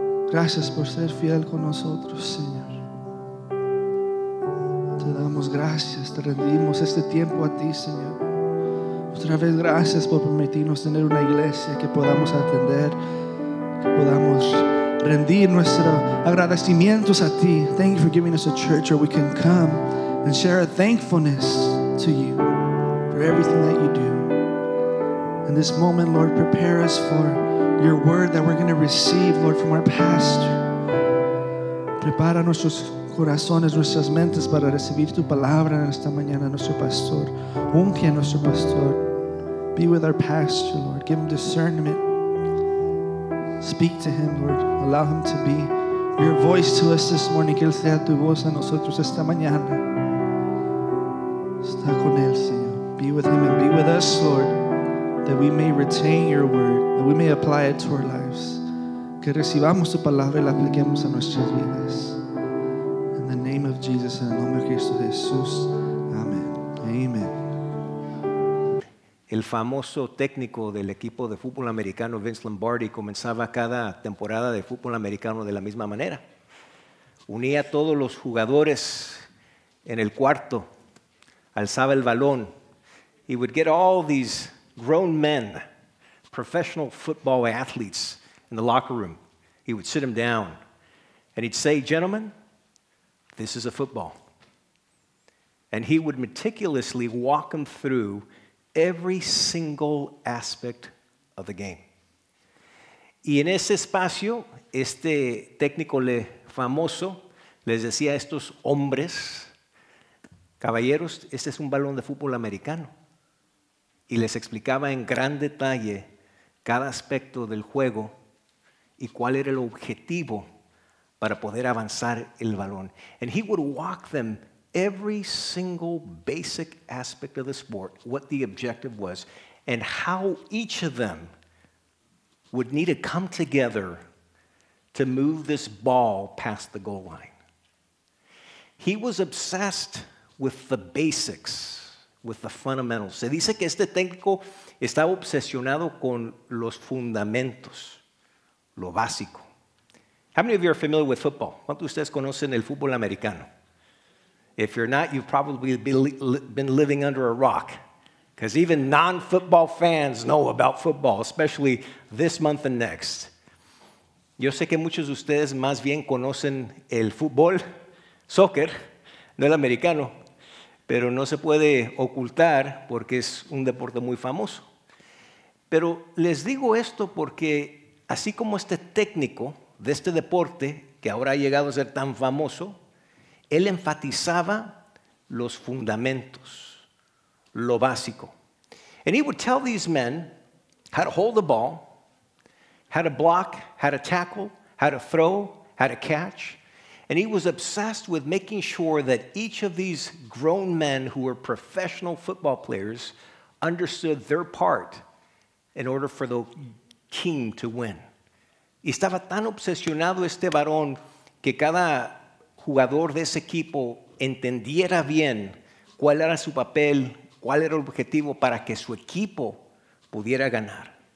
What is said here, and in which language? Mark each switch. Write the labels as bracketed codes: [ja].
[es] Gracias por ser fiel con nosotros, Señor. Te damos gracias, te rendimos este tiempo a ti, Señor. Otra vez gracias por permitirnos tener una iglesia que podamos atender, que podamos rendir nuestros agradecimientos a ti. [en] Thank you for giving us a church where we can come and share a thankfulness to you for everything that you do. In this moment, Lord, prepare us for your word that we're going to receive, Lord, from our pastor. [es] Prepara nuestros corazones, nuestras mentes para recibir tu palabra en esta mañana, nuestro pastor. Unge a nuestro pastor. [en] Be with our pastor, Lord. Give him discernment. Speak to him, Lord. Allow him to be your voice to us this morning. [es] Que él sea tu voz a nosotros esta mañana. Está con él, Señor. [en] Be with him and be with us, Lord, that we may retain your word, that we may apply it to our lives. [es] Que recibamos tu palabra y la apliquemos a nuestras vidas. [en] In the name of Jesus, [es] en el nombre de Cristo Jesús. Amén. [en] Amen. [es] El famoso técnico del equipo de fútbol americano, Vince Lombardi, comenzaba cada temporada de fútbol americano de la misma manera. Unía a todos los jugadores en el cuarto. Alzaba el balón. [en] He would get all these grown men, professional football athletes, in the locker room. He would sit them down. And he'd say, gentlemen, this is a football. And he would meticulously walk them through every single aspect of the game. [es] Y en ese espacio, este técnico famoso les decía a estos hombres, caballeros, este es un balón de fútbol americano. Y les explicaba en gran detalle cada aspecto del juego y cuál era el objetivo para poder avanzar el balón. [en] And he would walk them every single basic aspect of the sport, what the objective was, and how each of them would need to come together to move this ball past the goal line. He was obsessed with the basics, with the fundamentals. [es] Se dice que este técnico estaba obsesionado con los fundamentos, lo básico. [en] How many of you are familiar with football? [es] ¿Cuántos de ustedes conocen el fútbol americano? [en] If you're not, you've probably been living under a rock. Because even non-football fans know about football, especially this month and next. [es] Yo sé que muchos de ustedes más bien conocen el fútbol, soccer, no el americano. Pero no se puede ocultar porque es un deporte muy famoso. Pero les digo esto porque así como este técnico de este deporte, que ahora ha llegado a ser tan famoso, él enfatizaba los fundamentos, lo básico. [en] And he would tell these men how to hold the ball, how to block, how to tackle, how to throw, how to catch. And he was obsessed with making sure that each of these grown men who were professional football players understood their part in order for the team to win. [es] Y estaba tan obsesionado este varón que cada jugador de ese equipo entendiera bien cuál era su papel, cuál era el objetivo para que su equipo pudiera ganar.